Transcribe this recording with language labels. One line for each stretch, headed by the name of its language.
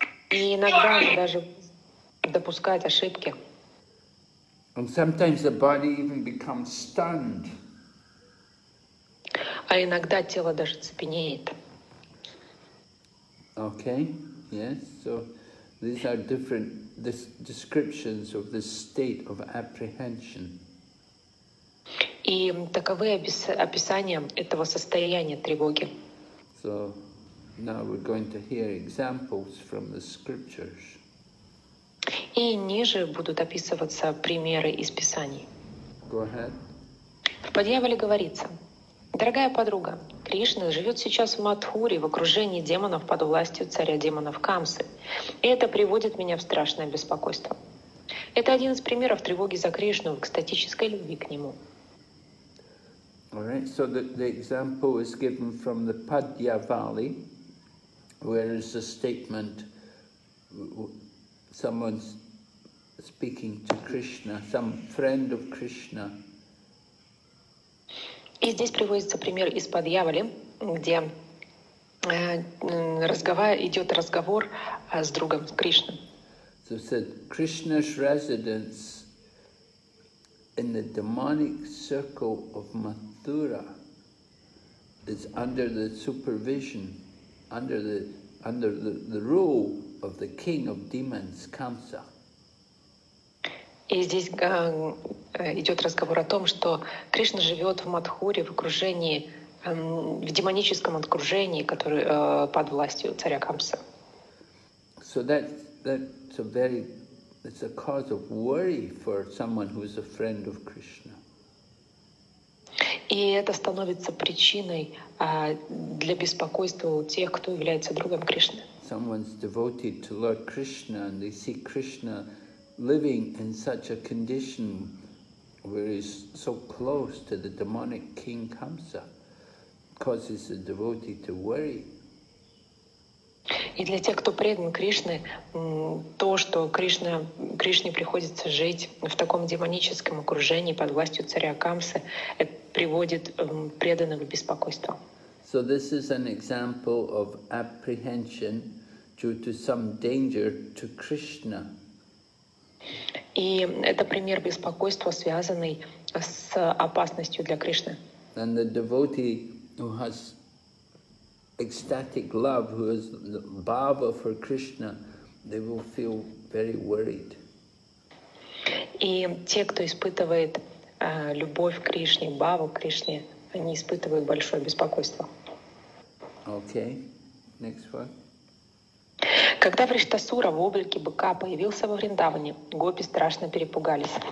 Russian: И иногда даже допускать ошибки.
English: And sometimes the body even becomes stunned.
Russian: А иногда тело даже цепенеет.
English: Okay, yes, so these are different descriptions of the state of apprehension.
Russian: И таковы описания этого состояния тревоги.
English: So now we're going to hear examples from the scriptures.
Russian: И ниже будут описываться примеры из Писаний.
English: Go ahead.
Russian: В «Подьяволе» говорится: «Дорогая подруга, Кришна живет сейчас в Матхуре, в окружении демонов под властью царя демонов Камсы, и это приводит меня в страшное беспокойство». Это один из примеров тревоги за Кришну в экстатической любви к Нему.
English: All right, so the example is given from the Padyavali, where is the statement someone's speaking to Krishna, some friend of Krishna.
Russian: И здесь приводится пример из Падьяволи, где идет разговор с другом Кришны.
English: So said, Krishna's residence in the demonic circle of Mathura is under the supervision, under the rule of the king of demons, Kamsa.
Russian: И здесь идет разговор о том, что Кришна живет в Матхуре, в окружении, в демоническом окружении, который под властью царя Камса.
English: So that's a very It's a cause of worry for someone who is a friend of Krishna.
Russian: И это становится причиной для беспокойства у тех, кто является другом Кришны.
English: Someone's devoted to Lord Krishna and they see Krishna living in such a condition where he's so close to the demonic king Kamsa, causes the devotee to worry.
Russian: И для тех, кто предан Кришне, то, что Кришне приходится жить в таком демоническом окружении под властью царя Камсы, это приводит преданных в беспокойство.
English: So this is an example of apprehension due to some danger to Krishna.
Russian: И это пример беспокойства, связанный с опасностью для Кришны.
English: And the devotee who has ecstatic love, who is the bhava for Krishna, they will feel very worried.
Russian: И те, кто испытывает любовь к Кришне, бхаву к Кришне, они испытывают большое беспокойство.
English: Okay, next one.
Russian: Когда Вриштасура в облике быка появился во Вриндаване, гопи страшно перепугались.